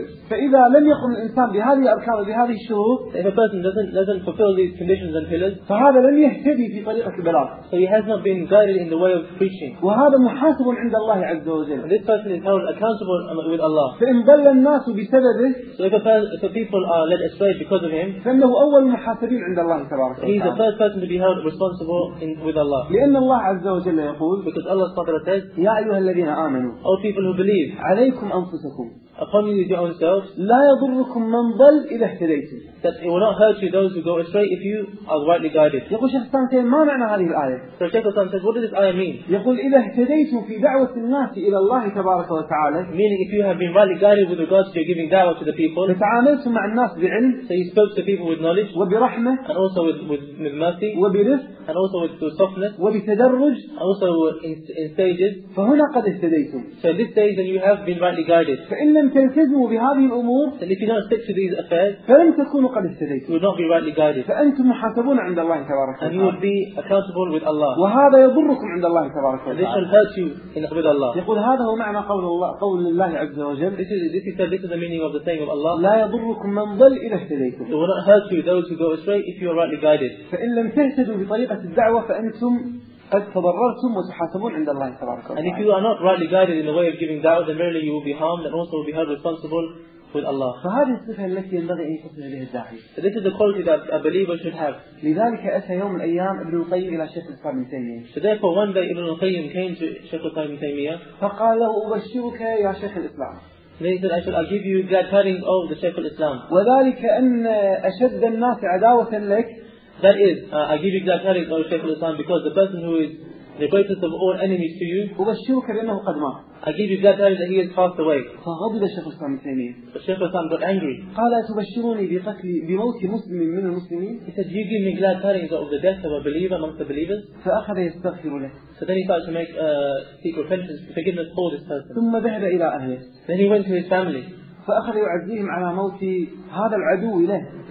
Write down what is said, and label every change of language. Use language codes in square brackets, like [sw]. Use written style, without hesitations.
[ar] فإذا لم يقم الإنسان بهذه الأركان وبهذه الشروط. [en] If a person doesn't fulfill these conditions and pillars. [ar] فهذا لم يهتدي في طريقة البلاغ. [en] So he has not been guided in the way of preaching. [ar] وهذا محاسب عند الله عز وجل. [en] This person is held accountable with Allah. [ar] فإن ضل الناس بسببه. [en] So if people are led astray because of him. [ar] فإنه أول المحاسبين عند الله تبارك وتعالى. [en] He is the first person to be held responsible with Allah. [ar] لأن الله عز وجل يقول. [en] Because Allah سبحانه says. [ar] يا أيها الذين آمنوا. [en] O people who believe. [ar] عليكم أن [en] upon you is your own self. [ar] لا يضركم من ضل إذا اهتديتم. [en] That it will not hurt you those who go astray if you are rightly guided. [ar] يقول شيخ الإسلام ما معنى هذه الآية؟ [en] So Sheikh Hassan says, what does this ayah mean? [ar] يقول إذا اهتديتم في دعوة الناس إلى الله تبارك وتعالى. [en] Meaning if you have been rightly guided with regards to giving دعوة to the people. [ar] فتعاملتم مع الناس بعلم. [en] So you spoke to people with knowledge. [ar] وبرحمة. [en] And also with mercy. [ar] وبرفق. [en] And also with softness. [ar] وبتدرج. [en] Also in stages. [ar] فهنا قد اهتديتم. [en] So this day then you have been rightly guided. [ar] فإن لم تلتزموا بهذه الأمور. [en] And if you don't stick to these affairs. [ar] فلم تكونوا قد اهتديتم. [en] You will not be rightly guided. [ar] فأنتم محاسبون عند الله تبارك وتعالى. [en] And you will be accountable with Allah. [ar] وهذا يضركم عند الله تبارك وتعالى. [en] This will hurt you in [ar] عباد الله. يقول هذا هو معنى قول الله عز وجل. [en] This is the meaning of the saying of Allah. [ar] لا يضركم من ضل إذا اهتديتم. [en] It will not hurt you those who go astray if you are rightly guided. [ar] فإن لم تهتدوا بطريقة الدعوة فأنتم قد تضررتم وتحاسبون عند الله تبارك وتعالى. [en] And if you are not rightly guided in the way of giving da'wah, then merely you will be harmed and also will be held responsible with Allah. [ar] فهذه الصفة التي ينبغي أن يصل إليها الداعي. [en] So this is the quality that a believer should have. [ar] لذلك أتى يوم من الأيام ابن القيم إلى شيخ الإسلام ابن تيمية. [en] So therefore one day ابن القيم came to شيخ الإسلام ابن تيمية. [ar] فقال له أبشرك يا شيخ الإسلام. [en] Then he said, I'll give you glad tidings of the Shaykh al-Islam. [ar] وذلك أن أشد الناس عداوة لك. [en] That is, I give you glad tidings of Shaykh al-Islam because the person who is the greatest of all enemies to you. [ar] أبشرك بأنه قد مات. [en] I give you glad tidings that he has passed away. [ar] فغضب الشيخ الإسلام ابن تيمية. [en] The Shaykh al-Islam got angry. [ar] قال أتبشروني بموت مسلم من المسلمين. [en] He said, you give me glad tidings of the death of a believer amongst the believers. [ar] فأخذ يستغفر له. [en] So then he started to seek repentance, forgiveness for this person. [ar] ثم ذهب إلى أهله. [en] Then he went to his family. [ar] فأخذ يعزيهم على موت هذا العدو له.